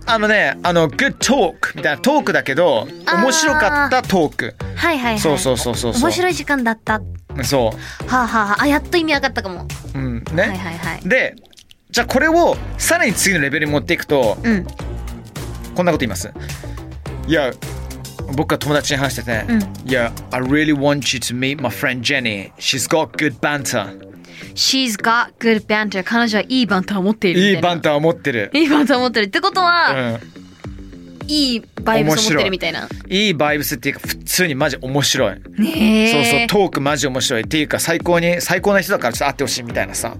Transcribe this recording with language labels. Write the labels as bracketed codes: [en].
[ja] あのね、あの、 [en] Good talk [ja] みたいな、トークだけど、面白かったトーク。はいはいはい。そう。面白い時間だった。そう。はあ、ははあ、あ、やっと意味わかったかも。うん、ね。はいはいはい。で、じゃあこれを、さらに次のレベルに持っていくと、うん、こんなこと言います。いや、僕が友達に話してて、うん、 [en] Yeah, I really want you to meet my friend Jenny. She's got good banter. She's got good banter. [ja] 彼女はいいバンターを持っているみたいな。いいバンターを持ってる。いいバンターを持ってる。ってことは、うん、いいバイブスを持ってるみたいな。いいバイブスっていうか、普通にマジ面白い。へえ。そうそう、トークマジ面白いっていうか、最高な人だからちょっと会ってほしいみたいなさ。